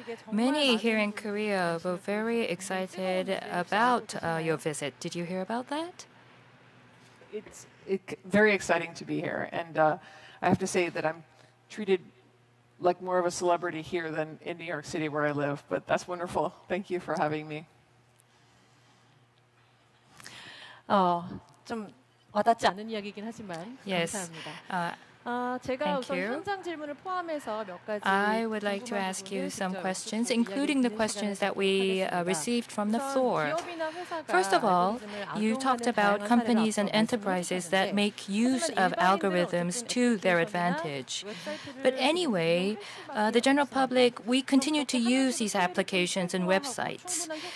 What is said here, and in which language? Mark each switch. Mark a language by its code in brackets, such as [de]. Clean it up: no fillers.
[en] Many here in Korea were very excited about your visit. Did you hear about that? It's very exciting to be here, and I have to say that I'm treated like more of a celebrity here than in New York City where I live, but that's wonderful. Thank you for having me. [ko] 좀 와닿지 않은 이야기이긴 하지만 [en] yes. [ko] 감사합니다. 제가 Thank 우선 [en] you. [ko] 현장 질문을 포함해서 몇 가지 [en] I would like to ask you some questions including the questions that we received from the floor. First of all, you talked about companies and enterprises that make use of algorithms to their advantage. But anyway, the general public, we continue to use these applications and websites.